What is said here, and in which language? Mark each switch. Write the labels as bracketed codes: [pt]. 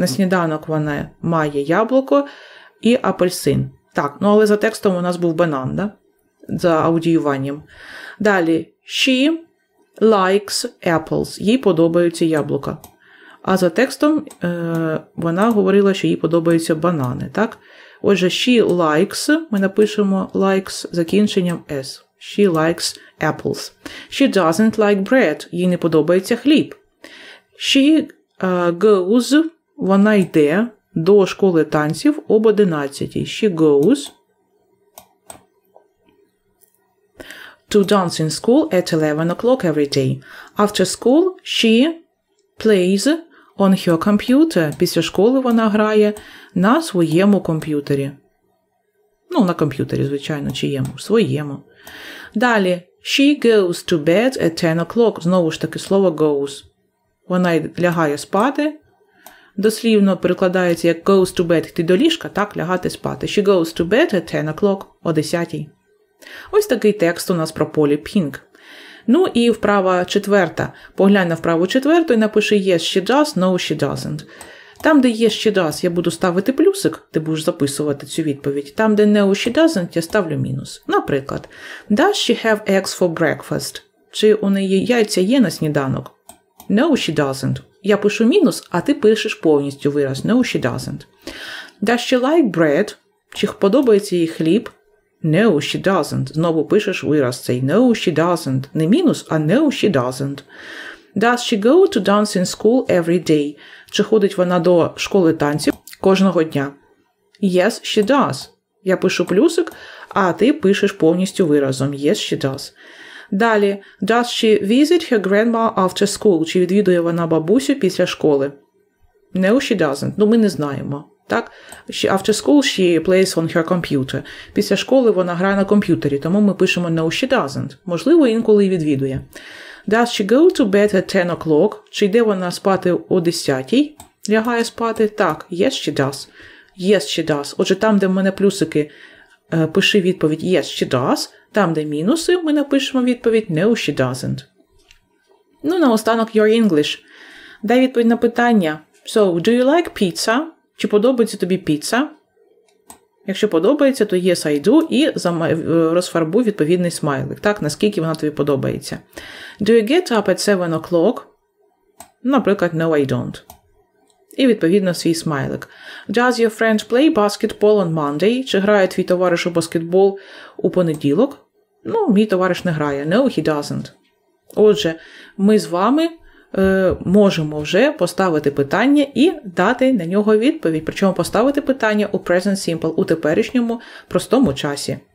[uk] На сніданок вона має яблуко і апельсин. Так, ну але за текстом у нас був банан, да? За аудіюванням. Далі. [en] She likes apples. [uk] Їй подобаються яблука. А за текстом вона говорила, що їй подобаються банани, так? Отже, [en] she likes, [uk] ми напишемо likes закінченням s. [en] She likes apples. She doesn't like bread. [uk] Їй не подобається хліб. [en] She goes, [uk] вона йде до школи танців об 11. [en] She goes to dancing school at 11 o'clock every day. After school she plays on her computer. [uk] Після школи вона грає на своєму комп'ютері. Ну, на комп'ютері, звичайно, чиєму? Своєму. Далі. [en] She goes to bed at 10 o'clock. [uk] Знову ж таки, слово goes. Вона лягає спати. Дослівно перекладається як [en] goes to bed. [uk] Йти до ліжка, так, лягати спати. [en] She goes to bed at 10 o'clock. [uk] О 10. Ось такий текст у нас про Polly Pink. Ну і вправа четверта. Поглянь на вправу четверту і напиши [en] yes, she does, no, she doesn't. [uk] Там, де [en] yes, she does, [uk] я буду ставити плюсик, ти будеш записувати цю відповідь. Там, де [en] no, she doesn't, [uk] я ставлю мінус. [en] Наприклад, does she have eggs for breakfast? [uk] Чи у неї яйця є на сніданок? [en] No, she doesn't. [uk] Я пишу мінус, а ти пишеш повністю вираз. [en] No, she doesn't. Does she like bread? [uk] Чи подобається їй хліб? [en] No, she doesn't. [uk] Знову пишеш вираз цей. [en] No, she doesn't. [uk] Не мінус, а [en] no, she doesn't. Does she go to dancing school every day? [uk] Чи ходить вона до школи танців кожного дня? [en] Yes, she does. [uk] Я пишу плюсик, а ти пишеш повністю виразом. [en] Yes, she does. Далі. Does she visit her grandma after school? [uk] Чи відвідує вона бабусю після школи? [en] No, she doesn't. [uk] Ну, ми не знаємо. Так? [en] She, after school she plays on her computer. [uk] Після школи вона грає на комп'ютері, тому ми пишемо [en] no, she doesn't. [uk] Можливо, інколи відвідує. [en] Does she go to bed at 10 o'clock? [uk] Чи йде вона спати о 10? Лягає спати? Так. [en] Yes, she does. Yes, she does. [uk] Отже, там, де в мене плюсики, пиши відповідь [en] yes, she does. [uk] Там, де мінуси, ми напишемо відповідь [en] no, she doesn't. [uk] Ну, наостанок [en] your English. [uk] Дай відповідь на питання. [en] So, do you like pizza? [uk] Чи подобається тобі піца? Якщо подобається, то [en] yes, I do. [uk] І розфарбуй відповідний смайлик. Так, наскільки вона тобі подобається. [en] Do you get up at 7 o'clock? Наприклад, no, I don't. [uk] І відповідно свій смайлик. [en] Does your friend play basketball on Monday? [uk] Чи грає твій товариш у баскетбол у понеділок? Ну, мій товариш не грає. [en] No, he doesn't. [uk] Отже, ми з вами можемо вже поставити питання і дати на нього відповідь. Причому поставити питання у present simple, у теперішньому простому часі.